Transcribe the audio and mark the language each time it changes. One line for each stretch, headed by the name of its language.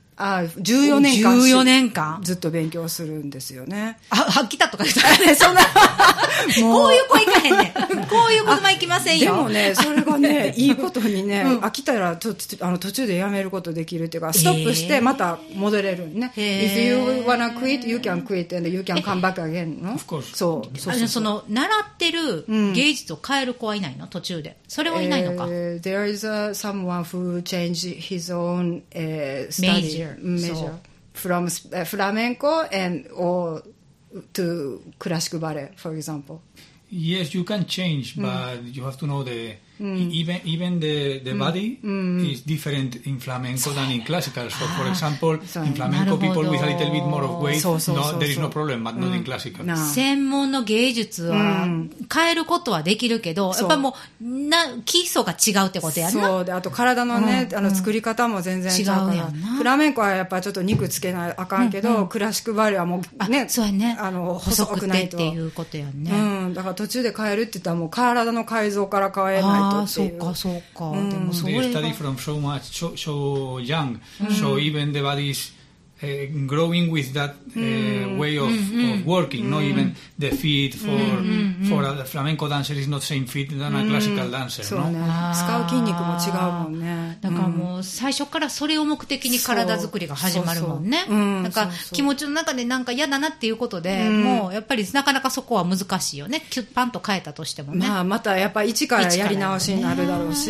Japanese: 14年間ずっと勉強するんですよね。あ、来たとか言ったらそんなもうこういう子行かへんねん、こういう子も行きませんよ。でもねそれがねいいことにね、うん、飽きたらちょっと途中でやめることできるっていうか、ストップしてまた戻れるね。
English: If you wanna quit you can quit and you can come back again の、 of course。
Japanese: そう、そうそうそう、その習ってる芸術を変える子はいないの、途中で。それはいないのか。
English: There is someone who changed his own studyMajor. From flamenco and or to classical ballet, for example. Yes, you can change, but you have to know the even the body is different in flamenco than in classical. So, for example, in flamenco people with a little bit more of weight, no, there is no problem, but not in classical.
Japanese: 専門の芸術は変えることはできるけど、やっぱもうな基礎が違うってことやな。そうで、あと体のね、作り方も全然違うから。違うやんな。フラメンコはやっぱちょっと肉つけなあかんけど、うんうん、クラシックバレエはもうね、そうやね、細くないとっていうことやね。うん、だから途中で変えるって言ったらもう体の改造から変えないとっていう。そうかそうか。うん、でもそれ。
English: They study from so much so young, so even the bodies. Growing with that way of, of working, not even the feet for a flamenco dancer is not the same feet than a classical dancer.
Japanese: そうね。使う筋肉も違うもんね。だからもう最初からそれを目的に体作りが始まるもんね。なんか気持ちの中でなんか嫌だなっていうことで、うん、もうやっぱりなかなかそこは難しいよね。キュッパンと変えたとしてもね。まあまたやっぱ一からやり直しになるだろうし。